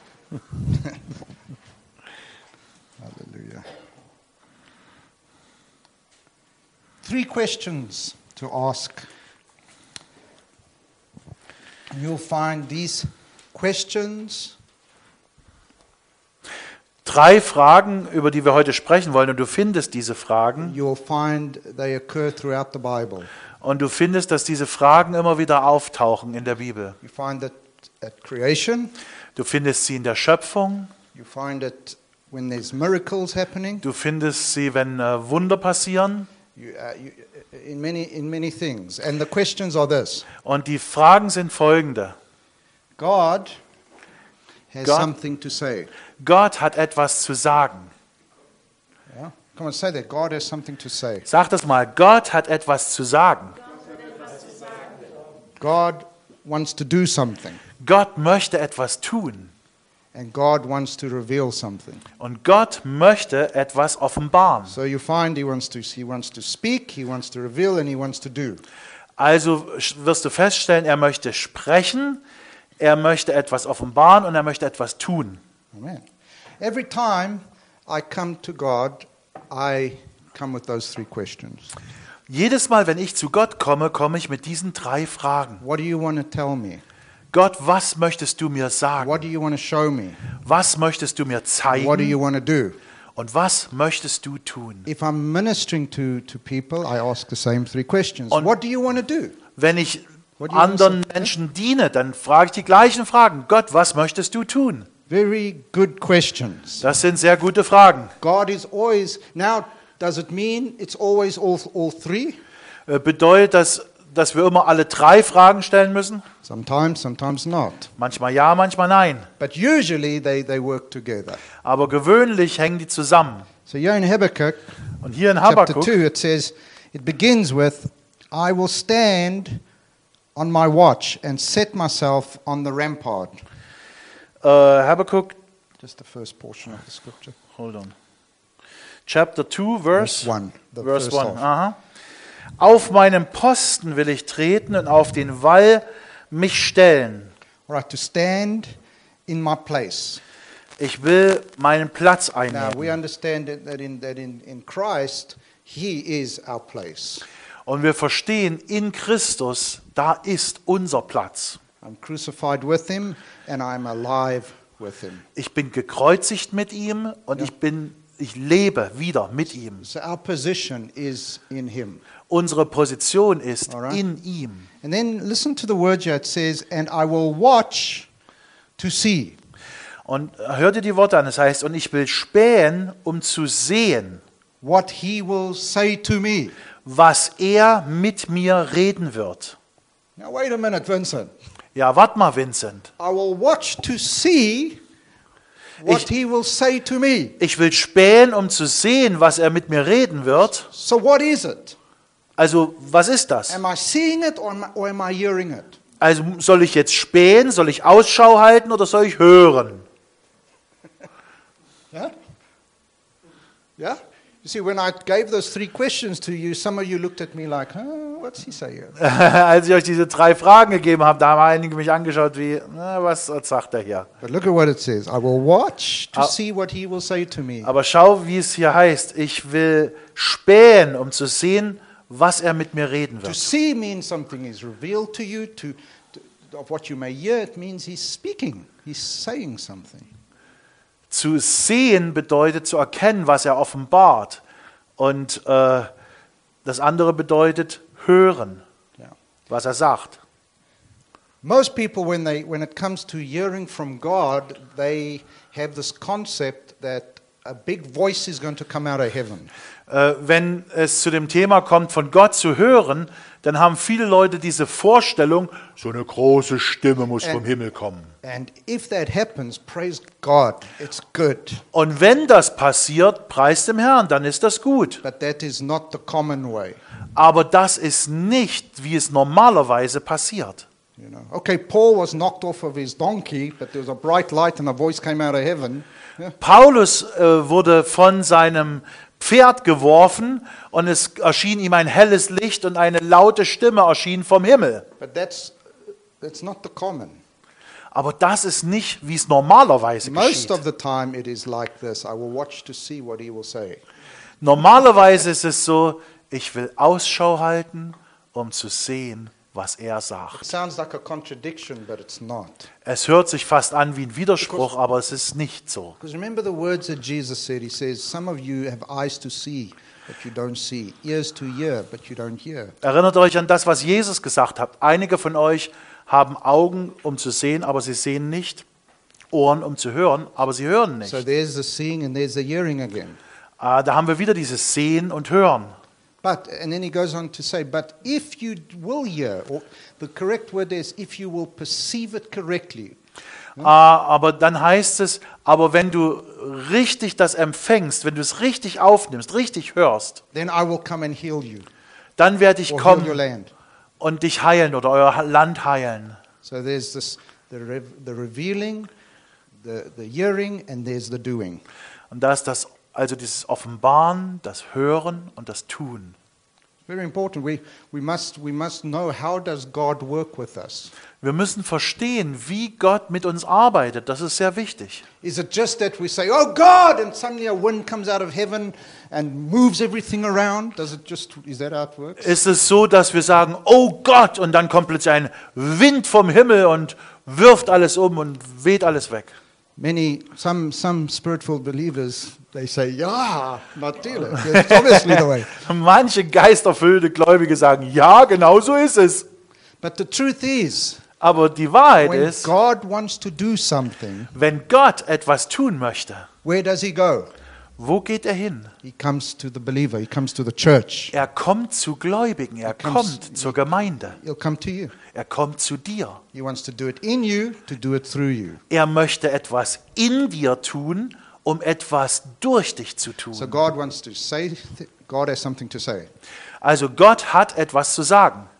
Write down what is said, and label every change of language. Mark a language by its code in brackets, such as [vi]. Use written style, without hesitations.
[en] Hallelujah. Three questions to ask. You'll find these questions. [de] Drei Fragen, über die wir heute sprechen wollen, und du findest diese Fragen. [en] You'll find they occur throughout the Bible. [de] Und du findest, dass diese Fragen immer wieder auftauchen in der Bibel. [en] You find it at creation. [de] Du findest sie in der Schöpfung. [en] You find it when there's miracles happening. [de] Du findest sie, wenn Wunder passieren. [en] In many things. And the questions are this. [de] Und die Fragen sind folgende. [en] God has something to say. [de] Gott hat etwas zu sagen. [en] Yeah. Come on, say that. God has something to say. [de] Sag das mal. Gott hat etwas zu sagen. [en] God wants to do something. [de] Gott möchte etwas tun. [en] And God wants to reveal something. [de] Und Gott möchte etwas offenbaren. [en] So you find he wants to speak, he wants to reveal, and he wants to do. [de] Also wirst du feststellen, er möchte sprechen, er möchte etwas offenbaren und er möchte etwas tun. [en] Amen. Every time I come to God, I come with those three questions. [de] Jedes Mal, wenn ich zu Gott komme, komme ich mit diesen drei Fragen. [en] What do you want to tell me? [de] Gott, was möchtest du mir sagen? [en] What do you want to show me? [de] Was möchtest du mir zeigen? [en] What do you want to do? [de] Und was möchtest du tun? [en] If I'm ministering to people, I ask the same three questions. [de] Und [en] what do you want to do? [de] Wenn ich anderen Menschen diene, dann frage ich die gleichen Fragen. Gott, was möchtest du tun? [en] Very good questions. [de] Das sind sehr gute Fragen. [en] God is always. Now, does it mean it's always all three? [de] Bedeutet das, dass wir immer alle drei Fragen stellen müssen? [en] Sometimes, sometimes not. [de] Manchmal ja, manchmal nein. [en] But usually they work together. [de] Aber gewöhnlich hängen die zusammen. [en] So here in Habakkuk, [de] und hier in Habakkuk, [en] chapter 2, it says, it begins with, I will stand on my watch and set myself on the rampart. [de] Habakkuk, [en] just the first portion of the scripture. Hold on. Chapter 2, verse 1. Aha. [de] Auf meinem Posten will ich treten und auf den Wall mich stellen. [en] Right, to stand in my place. [de] Ich will meinen Platz einnehmen. [en] Now we understand that in Christ he is our place. [de] Und wir verstehen, in Christus, da ist unser Platz. [en] I'm crucified with him and I'm alive with him. [de] Ich bin gekreuzigt mit ihm und ich lebe wieder mit ihm. [en] So our position is in him. [de] Unsere Position ist in ihm. [en] And then listen to the word here. It says, "And I will watch to see." [de] Und hör dir die Worte an. Es heißt, und ich will spähen, um zu sehen, [en] what he will say to me, [de] was er mit mir reden wird. [en] Now wait a minute, Vincent. [de] Ja, warte mal, Vincent. [en] I will watch to see what he will say to me. [de] Ich will spähen, um zu sehen, was er mit mir reden wird. [en] So what is it? [de] Also, was ist das? [en] Am I seeing it or am I hearing it? [de] Also, soll ich jetzt spähen, soll ich Ausschau halten oder soll ich hören? [en] Yeah? Yeah? You see, when I gave those three questions to you, some of you looked at me like, oh, what's he saying? [de] Als ich euch diese drei Fragen gegeben habe, da haben einige mich angeschaut wie, na, was sagt er hier? [en] But look at what it says. I will watch to see what he will say to me. [de] Aber schau, wie es hier heißt. Ich will spähen, um zu sehen, was er mit mir reden wird. [en] To see means something is revealed to you. To of what you may hear, it means he's speaking. He's saying something. [de] Zu sehen bedeutet zu erkennen, was er offenbart. Und das andere bedeutet hören, was er sagt. [en] Most people, when it comes to hearing from God, they have this concept that a big voice is going to come out of heaven. [de] Wenn es zu dem Thema kommt, von Gott zu hören, dann haben viele Leute diese Vorstellung, so eine große Stimme muss vom Himmel kommen. [en] And if that happens, praise God, it's good. [de] Und wenn das passiert, preist dem Herrn, dann ist das gut. [en] But that is not the common way. [de] Aber das ist nicht, wie es normalerweise passiert. [en] Okay, Paul was knocked off of his donkey, but there was a bright light and a voice came out of heaven. [de] Paulus wurde von seinem Pferd geworfen und es erschien ihm ein helles Licht und eine laute Stimme erschien vom Himmel. [en] But that's not the common. [de] Aber das ist nicht, wie es normalerweise geschieht. [en] Most of the time it is like this. I will watch to see what he will say. [de] Normalerweise ist es so, ich will Ausschau halten, um zu sehen, was er sagt. [en] It sounds like a contradiction, but it's not. [de] Es hört sich fast an wie ein Widerspruch, aber es ist nicht so. [en] Because remember the words that Jesus said. He says, some of you have eyes to see, but you don't see. Ears to hear, but you don't hear. [de] Erinnert euch an das, was Jesus gesagt hat. Einige von euch haben Augen, um zu sehen, aber sie sehen nicht. Ohren, um zu hören, aber sie hören nicht. [en] So there's the seeing and there's the hearing again. [de] Da haben wir wieder dieses Sehen und Hören. [en] But and then he goes on to say, but if you will hear, or the correct word is if you will perceive it correctly. [de] Aber dann heißt es, aber wenn du richtig das empfängst, wenn du es richtig aufnimmst, richtig hörst, [en] then I will come and heal you. [de] Dann werde ich kommen und dich heilen oder euer Land heilen. [en] So there's this the revealing, the hearing, and there's the doing. [de] Und da ist das. Also dieses Offenbaren, das Hören und das Tun. [en] Very important. We must know how does God work with us. [de] Wir müssen verstehen, wie Gott mit uns arbeitet. Das ist sehr wichtig. [en] Is it just that we say, oh God, and suddenly a wind comes out of heaven and moves everything around? Does it just is that how it works? [de] Ist es so, dass wir sagen, oh Gott, und dann kommt plötzlich ein Wind vom Himmel und wirft alles um und weht alles weg? [en] Some spiritual believers. They say, yeah, [de] natürlich. [en] It's obviously the way. [de] Manche geisterfüllte Gläubige sagen, ja, genau so ist es. [en] But the truth is, [de] aber die Wahrheit [en] when [de] ist, [en] God wants to do something, [de] wenn Gott etwas tun möchte, [en] where does he go? [de] Wo geht er hin? [en] He comes to the believer. He comes to the church. [de] Er kommt zu Gläubigen. Er kommt zur Gemeinde. [en] He'll come to you. [de] Er kommt zu dir. [en] He wants to do it in you to do it through you. [de] Er möchte etwas in dir tun, um etwas durch dich zu tun. [en] So God wants to say, God has something to say. [de] Also Gott hat etwas zu sagen.